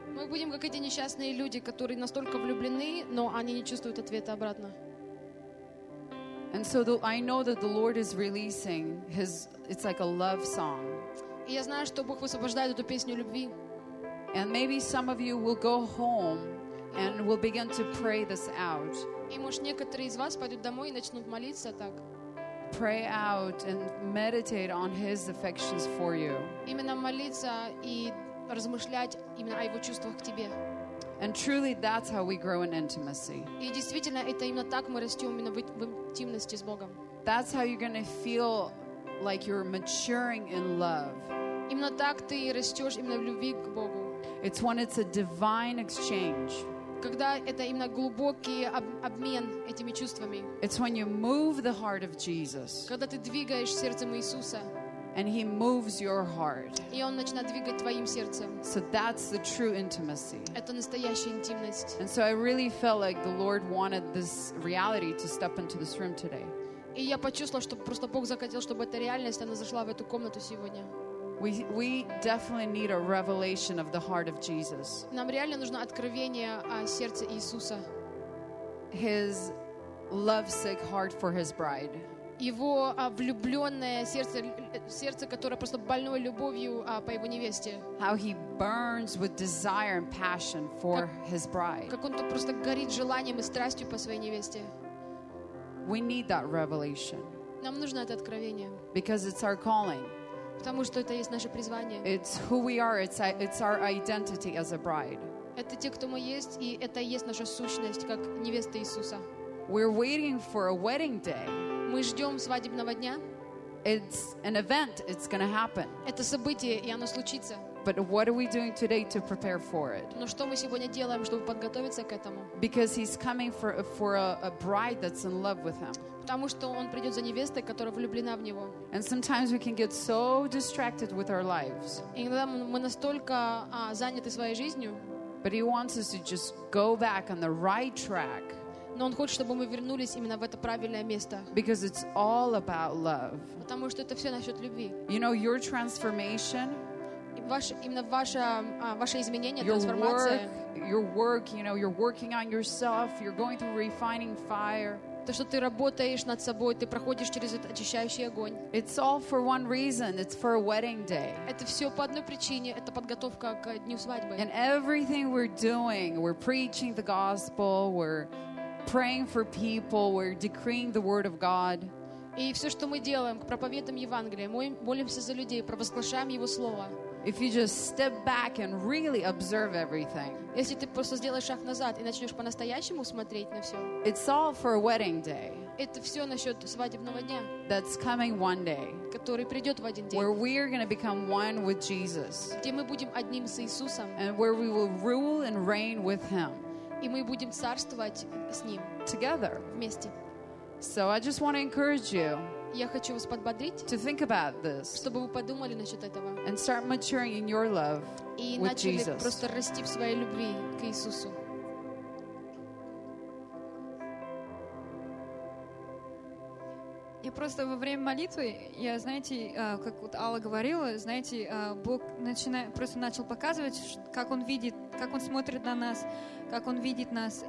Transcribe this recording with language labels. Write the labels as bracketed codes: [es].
[ru] Мы будем как эти несчастные люди, которые настолько влюблены, но они не чувствуют ответа обратно. [en] And so I know that the Lord is releasing His. It's like a love song. [ru] И я знаю, что Бог высвобождает эту песню любви. [en] And maybe some of you will go home and will begin to pray this out. [ru] И может некоторые из вас пойдут домой и начнут молиться так. [en] Pray out and meditate on His affections for you. [ru] Именно молиться и размышлять именно о его чувствах к тебе. [en] And truly that's how we grow in intimacy. [ru] И действительно это именно так мы растём именно в интимности с Богом. [en] That's how you're going to feel like you're maturing in love. [ru] Именно так ты растёшь именно в любви к Богу. [en] It's when it's a divine exchange. [ru] Когда это именно глубокий обмен этими чувствами. [en] It's when you move the heart of Jesus. [ru] Когда ты двигаешь сердцем Иисуса. [en] And He moves your heart. [ru] И он начинает двигать твоим сердцем. [en] So that's the true intimacy. [ru] Это настоящая интимность. [en] And so I really felt like the Lord wanted this reality to step into this room today. [ru] И я почувствовала, что просто Бог захотел, чтобы эта реальность она зашла в эту комнату сегодня. [en] We definitely need a revelation of the heart of Jesus. [ru] Нам реально нужно откровение о сердце Иисуса. [en] His lovesick heart for His bride. [ru] Его влюбленное сердце, сердце, которое просто больное любовью по его невесте. [en] How he burns with desire and passion for his bride. [ru] Как он просто горит желанием и страстью по своей невесте. [en] We need that revelation. [ru] Нам нужно это откровение. [en] Because it's our calling. [ru] Потому что это есть наше призвание. [en] It's who we are. It's our identity as a bride. [ru] Это те, кто мы есть, и это есть наша сущность как невеста Иисуса. [en] We're waiting for a wedding day. [ru] Мы ждем свадебного дня. [en] It's an event. It's going to happen. [ru] Это событие, и оно случится. [en] But what are we doing today to prepare for it? [ru] Ну что мы сегодня делаем, чтобы подготовиться к этому? [en] Because he's coming for a bride that's in love with him. [ru] Потому что он придёт за невестой, которая влюблена в него. [en] And sometimes we can get so distracted with our lives. [ru] Иногда мы настолько заняты своей жизнью. [en] But he wants us to just go back on the right track. [ru] Но он хочет, чтобы мы вернулись именно в это правильное место. [en] Because it's all about love. [ru] Потому что это всё насчёт любви. [en] You know your transformation. [ru] Ваше изменение, трансформация. [en] Your work, you know, you're working on yourself, you're going through refining fire. [ru] То, что ты работаешь над собой, ты проходишь через этот очищающий огонь. [en] It's all for one reason. It's for a wedding day. [ru] Это всё по одной причине, это подготовка к дню свадьбы. [en] And everything we're doing, we're preaching the gospel, we're praying for people, we're decreeing the word of God. [ru] И всё, что мы делаем, проповедуем Евангелие, мы молимся за людей, провозглашаем его слово. [en] If you just step back and really observe everything. [ru] Если ты просто сделаешь шаг назад и начнёшь по-настоящему смотреть на всё. [en] It's all for a wedding day. [ru] Это всё насчёт свадебного дня. [en] That's coming one day. [ru] Который придёт в один день. [en] Where we are going to become one with Jesus. [ru] Где мы будем одним с Иисусом. [en] And where we will rule and reign with him. [ru] И мы будем царствовать с ним. [en] Together. [ru] Вместе. [en] So I just want to encourage you. [ru] Я хочу вас подбодрить. [en] To think about this. [ru] Чтобы вы подумали насчёт этого. [en] And start maturing in your love with Jesus. [ru] И начали просто расти в своей любви к Иисусу. Я просто во время молитвы, я, знаете, как вот Алла говорила, знаете, Бог просто начал показывать, как он видит, как он смотрит на нас, как он видит нас.